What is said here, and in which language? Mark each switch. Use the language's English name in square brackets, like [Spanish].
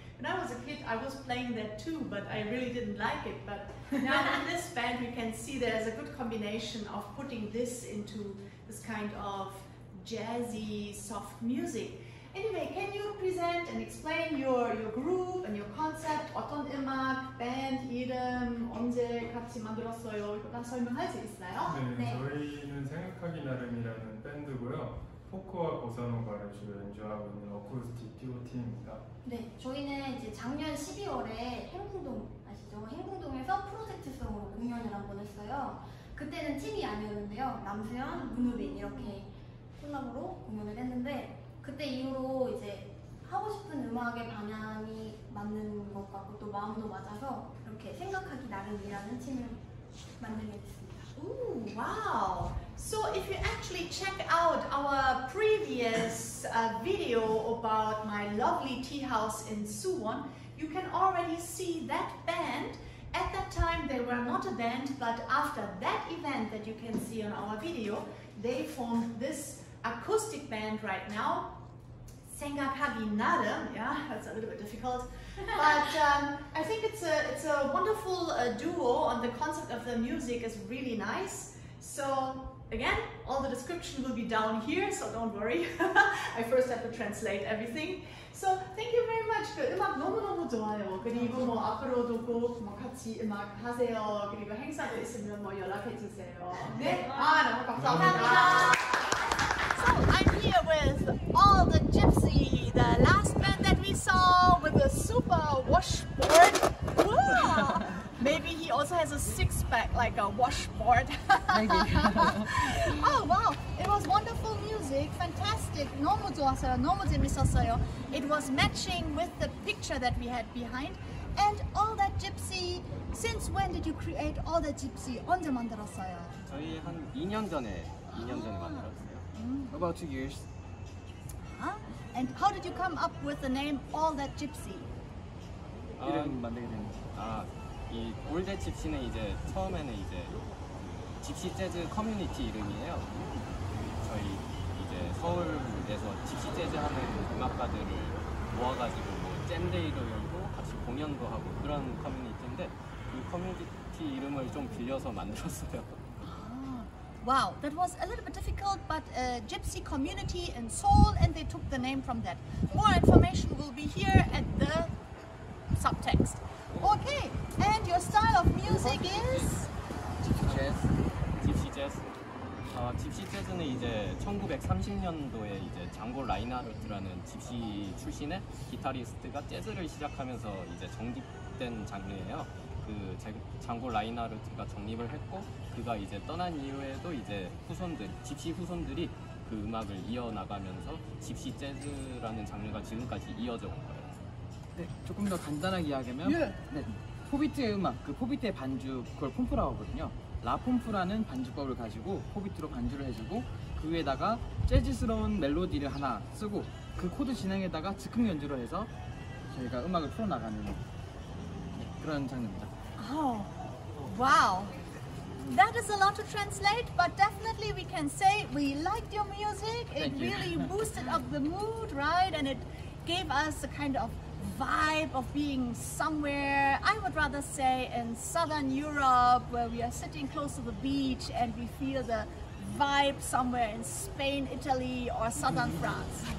[English] When I was a kid, I was playing that too, but I really didn't like it. But now in this band, we can see there's a good combination of putting this into this kind of jazzy, soft music. Anyway, can you present and explain your group and your concept? [Korean] 어떤 음악, 밴드 이름, 언제 같이 만들었어요? 이거 다 설명할 수 있어요? 네, 저희는 생각하기 나름이라는 밴드고요. 포크와 보사노바를 주로 연주하고 있는 어쿠스틱 듀오 팀입니다. 네, 저희는 이제 작년 12월에 행궁동 아시죠? 행궁동에서 프로젝트성으로 공연을 한번 했어요. 그때는 팀이 아니었는데요. 남수현, 문우빈 이렇게 콜라보로 공연을 했는데 그때 이후로 이제 하고 싶은 음악의 방향이 맞는 것 같고 또 마음도 맞아서 이렇게 생각하기 나름이라는 팀을 만들게 됐습니다. 오, 와우! [English] So if you actually check out our previous video about my lovely tea house in Suwon, you can already see that band. At that time, they were not a band, but after that event that you can see on our video, they formed this acoustic band right now. 생각하기 나름, yeah, that's a little bit difficult. But I think it's a wonderful duo, and the concept of the music is really nice. So. Again, all the description will be down here, so don't worry. I first have to translate everything. So thank you very much. [Korean] 그 음악 너무너무 좋아요. 그리고 뭐 앞으로도 꼭 뭐 같이 음악 하세요. 그리고 행사도 있으면 뭐 연락해 주세요. 네? 아, 너무 감사합니다. [English] So I'm here with all the Gypsy, the last band that we saw with a super washboard. Wow. Maybe he also has a six-pack, like a washboard. Maybe. Oh, wow. It was wonderful music. Fantastic. [Korean] 너무 좋았어요. 너무 재밌었어요. [English] It was matching with the picture that we had behind. And all that gypsy, since when did you create all that gypsy? [Korean] 언제 만들었어요? 저희 한 2년 전에 만들었어요. [English] About 2 years. And how did you come up with the name all that gypsy? [Korean] 이름 만들게 된 이 All That Gypsy는 이제 처음에는 이제 Gypsy Jazz 커뮤니티 이름이에요. 저희 이제 서울에서 Gypsy Jazz 하는 음악가들을 모아가지고 뭐 잼데이도 열고 같이 공연도 하고 그런 커뮤니티인데 그 커뮤니티 이름을 좀 빌려서 만들었어요. [English] Wow, that was a little bit difficult, but a gypsy community in Seoul and they took the name from that. More information will be here at the subtext. Okay, and your style of music is? Gypsy Jazz. [Korean] Gypsy Jazz는 이제 1930년도에 이제 장고 라인하르트라는 집시 출신의 기타리스트가 재즈를 시작하면서 이제 정립된 장르예요. 그 장고 라인하르트가 정립을 했고 그가 이제 떠난 이후에도 이제 후손들, 집시 후손들이 그 음악을 이어나가면서 집시 재즈라는 장르가 지금까지 이어져 온 거예요. 네, 조금 더 간단하게 이야기하면 예. 네, 포비트 음악, 그 포비트의 반주, 그걸 폼프라고 하거든요. 라폼프라는 반주법을 가지고 포비트로 반주를 해주고 그 위에다가 재즈스러운 멜로디를 하나 쓰고 그 코드 진행에다가 즉흥 연주를 해서 저희가 음악을 풀어나가는 그런 장르입니다. [English] Oh, wow! That is a lot to translate, but definitely we can say we liked your music. It really boosted up the mood, right? And it gave us a kind of vibe of being somewhere, I would rather say in Southern Europe, where we are sitting close to the beach and we feel the vibe somewhere in Spain, Italy, or Southern France.